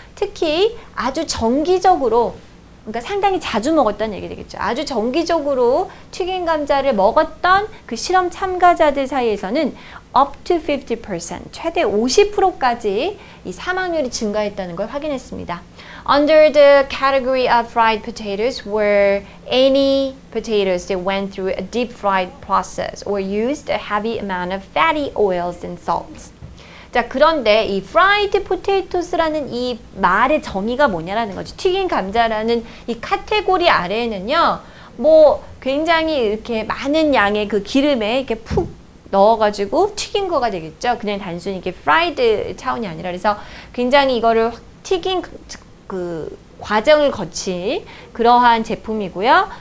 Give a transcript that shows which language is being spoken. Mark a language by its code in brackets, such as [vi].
[ko] 특히 아주 정기적으로, 그러니까 상당히 자주 먹었다는 얘기 되겠죠. 아주 정기적으로 튀긴 감자를 먹었던 그 실험 참가자들 사이에서는 up to 50%, 최대 50%까지 이 사망률이 증가했다는 걸 확인했습니다. [en] Under the category of fried potatoes were any potatoes that went through a deep fried process or used a heavy amount of fatty oils and salts. [ko] 자, 그런데 이 fried potatoes라는 이 말의 정의가 뭐냐라는 거지. 튀긴 감자라는 이 카테고리 아래에는요, 뭐 굉장히 이렇게 많은 양의 그 기름에 이렇게 푹 넣어가지고 튀긴 거가 되겠죠. 그냥 단순히 이렇게 fried 차원이 아니라 그래서 굉장히 이거를 튀긴 그 과정을 거친 그러한 제품이고요.